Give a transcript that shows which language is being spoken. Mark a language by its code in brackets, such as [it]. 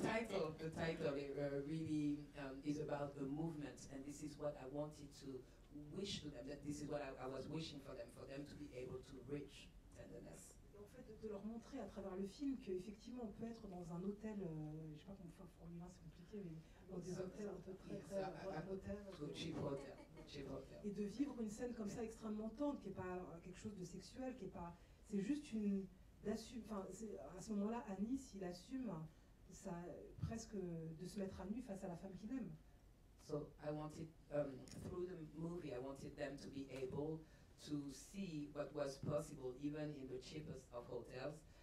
[en] So the title really is about the movement, and this is what I wanted to wish to them. That this is what I was wishing for them to be able to reach tenderness. [fr] Et en fait, de leur montrer à travers le film que effectivement, on peut être dans un hôtel. Je sais pas comment faire formuler, c'est compliqué, mais dans des hôtels un peu très un hôtel. [en] To cheap hotel. Cheap hotel. [fr] Et de vivre une scène comme ça extrêmement tendre, qui est pas quelque chose de sexuel, qui est pas. C'est juste une. Enfin, à ce moment-là, Anis, il assume ça, presque de se mettre à nu face à la femme qu'il aime. [en] So I wanted, through the movie, I wanted them to be able to see what was possible, even in the cheapest of hotels.